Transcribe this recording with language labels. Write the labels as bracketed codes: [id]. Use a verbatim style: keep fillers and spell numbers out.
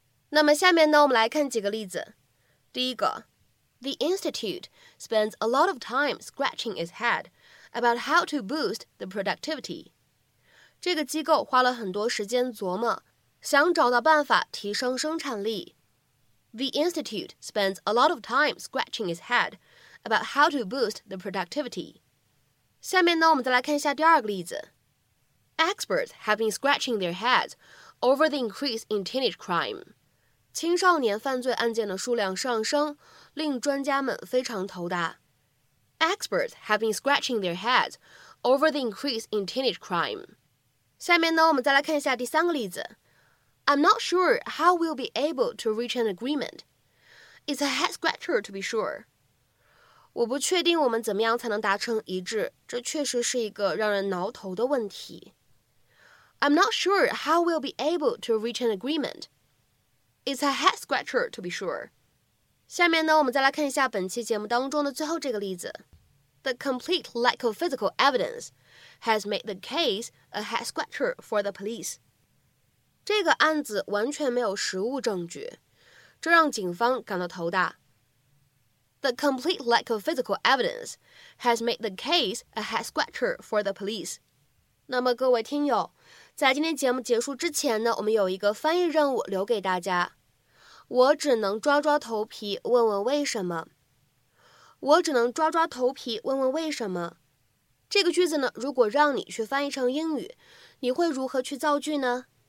[zh] 那么下面呢，我们来看几个例子。第一个 [en] ，The Institute spends a lot of time scratching its head about how to boost the productivity。 [zh] 这个机构花了很多时间琢磨。想找到办法提升生产力。 [en] The Institute spends a lot of time scratching its head about how to boost the productivity. [zh] 下面呢，我们再来看一下第二个例子。 [en] Experts have been scratching their heads over the increase in teenage crime. [zh] 青少年犯罪案件的数量上升，令专家们非常头大。 [en] Experts have been scratching their heads over the increase in teenage crime. [zh] 下面呢，我们再来看一下第三个例子。 [en] I'm not sure how we'll be able to reach an agreement. It's a head scratcher to be sure. [zh] 我不确定我们怎么样才能达成一致，这确实是一个让人挠头的问题。 [en] I'm not sure how we'll be able to reach an agreement. It's a head scratcher to be sure. [zh] 下面呢，我们再来看一下本期节目当中的最后这个例子。 [en] The complete lack of physical evidence has made the case a head scratcher for the police. [zh] 这个案子完全没有实物证据，这让警方感到头大。 [en] The complete lack of physical evidence has made the case a head scratcher for the police. [zh] 那么各位听友，在今天节目结束之前呢，我们有一个翻译任务留给大家。我只能抓抓头皮问问为什么。我只能抓抓头皮问问为什么。这个句子呢，如果让你去翻译成英语，你会如何去造句呢？